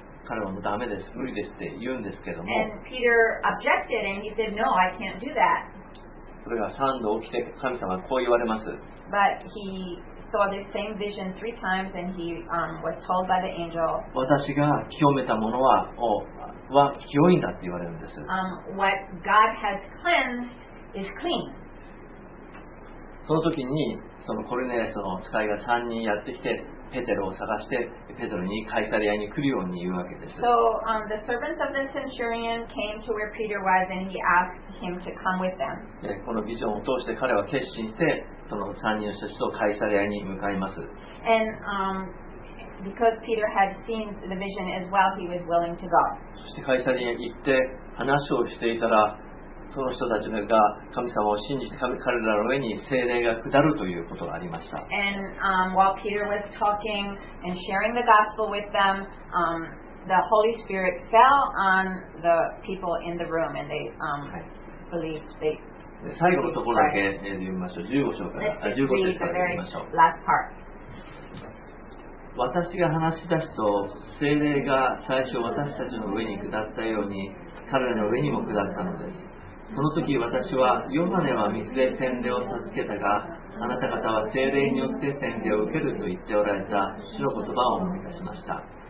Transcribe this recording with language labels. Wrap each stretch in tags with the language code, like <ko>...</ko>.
<ja>彼はもうダメです、無理ですって言うんですけども。</ja> <en>And Peter objected and he said, no, I can't do that.</en> <ja>それが3度起きて、神様はこう言われます。</ja> <en>But he saw this same vision three times and he, was told by the angel,</en> <ja>私が清めたものは、は清いんだって言われるんです。</ja> <en>What God has cleansed is clean.</en> <ja>その時にそのコルネリアスの使いが3人やってきてペテロを探してペテロにカイサリアに来るように言うわけです。</ja> <en>So, the servants of the centurion came to where Peter was and he asked him to come with them.</en> <ja>このビジョンを通して彼は決心してその3人の人たちとカイサリアに向かいます。</ja> <en>And, because Peter had seen the vision as well, he was willing to go.</en> <ja>そして会社に行って話をしていたら、その人たちが神様を信じて彼らの上に聖霊が下るということがありました。</ja> <en>And, while Peter was talking and sharing the gospel with them, the Holy Spirit fell on the people in the room and they, believed they</en> <ja>最後のところだけ読みましょう。15章から、15節から読みましょう。</ja> <en>Last part.</en> <ja>私が話し出すと聖霊が最初私たちの上に下ったように彼らの上にも下ったのです。その時私はヨハネは水で洗礼を授けたがあなた方は聖霊によって洗礼を受けると言っておられた主の言葉を思い出しました。</ja>